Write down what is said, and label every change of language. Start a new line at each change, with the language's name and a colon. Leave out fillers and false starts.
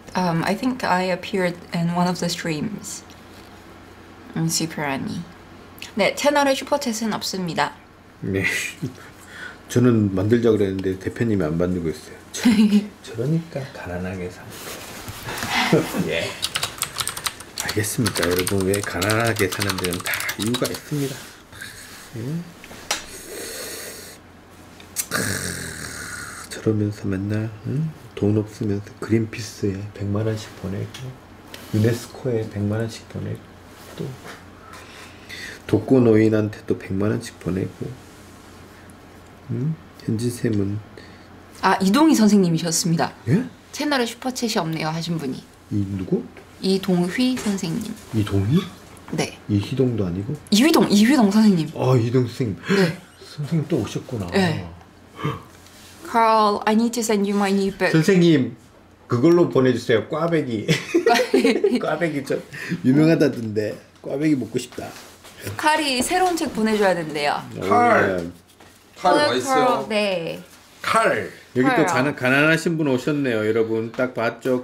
English: I think I appeared in one of the streams. In Super Annie.
Korean: 네, 채널의 슈퍼챗은 없습니다. 네. 저는 만들자 그랬는데 대표님이 안 만들고 있어요. 저러니까 가난하게 산 예. 알겠습니다. 여러분, 왜 가난하게 사는 데는 다 이유가 있습니다. 저러면서 맨날 응? 돈 없으면서 그린피스에 100만원씩 보내고 유네스코에 100만원씩 보내고 또 독거 노인한테도 100만원씩 보내고 응? 현진쌤은 아 이동희 선생님이셨습니다. 예? 채널에 슈퍼챗이 없네요 하신 분이 이 누구? 이동휘 선생님. 이동휘? 네. 이희동도 아니고? 이휘동, 이휘동 선생님. 아, 이동 선생님. 네. 선생님 또 오셨구나. 네.
English: Carl, I need to send you my new book.
Korean: 선생님, 그걸로 보내주세요. 꽈배기. 꽈배기 좀 유명하다던데. 꽈배기 먹고 싶다. 칼이 새로운 책 보내줘야 된대요. 칼. 칼 와있어요. 네. 칼. 여기 또 가난하신 분 오셨네요. 여러분 딱 봤죠?